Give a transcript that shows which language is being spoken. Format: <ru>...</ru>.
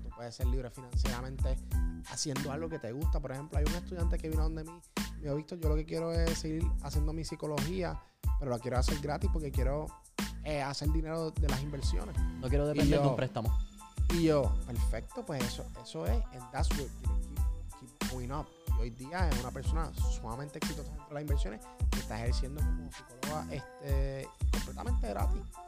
<es>Tú puedes ser libre financieramente haciendo algo que te gusta. Por ejemplo, hay un estudiante que vino donde mí. Yo he visto, yo lo que quiero es seguir haciendo mi psicología, pero la quiero hacer gratis porque quiero hacer dinero de las inversiones. No quiero depender de un préstamo. Y yo, perfecto, pues eso es.</es> <en>And that's what keep going up.</en> <es>Y hoy día es una persona sumamente exitosa dentro de las inversiones que está ejerciendo como psicóloga completamente gratis.</es>